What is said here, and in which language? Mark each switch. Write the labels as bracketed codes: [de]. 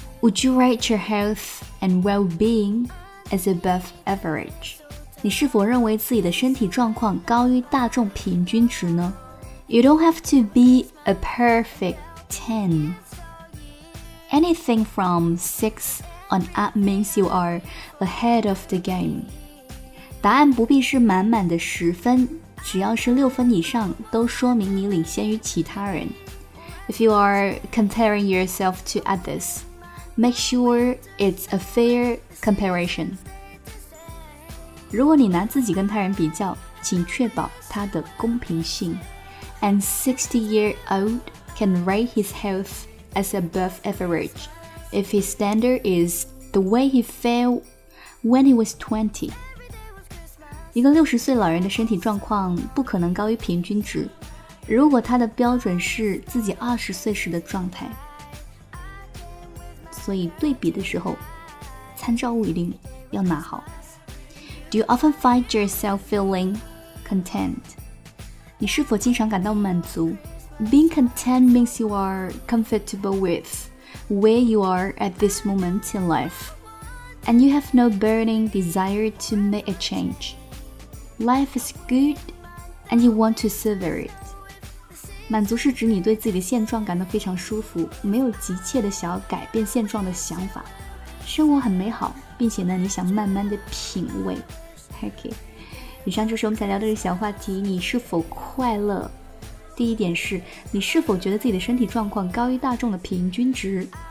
[en] Would you rate your health and well-being as above average? [zh] 你是否认为自己的身体状况高于大众平均值呢？ [en] You don't have to be a perfect 10. Anything from 6on up means you are ahead of the game. [zh] 答案不必是满满的十分，只要是六分以上都说明你领先于其他人。 [en] If you are comparing yourself to others, make sure it's a fair comparison. [zh] 如果你拿自己跟他人比较，请确保他的公平性。 [en] An 60-year-old can rate his health as above average. If his standard is the way he felt when he was 20. [zh] 一个60岁老人的身体状况不可能高于平均值，如果他的标准是自己20岁时的状态。所以对比的时候，参照物一定要拿好。 [en] Do you often find yourself feeling content? [zh] 你是否经常感到满足？ [en] Being content means you are comfortable withWhere you are at this moment in life, and you have no burning desire to make a change. Life is good, and you want to savor it. [zh] 满足是指你对自己的现状感到非常舒服，没有急切的想要改变现状的想法。生活很美好，并且呢，你想慢慢的品味。 OK， 以上就是我们想聊的小话题：你是否快乐？第一点是，你是否觉得自己的身体状况高于大众的平均值？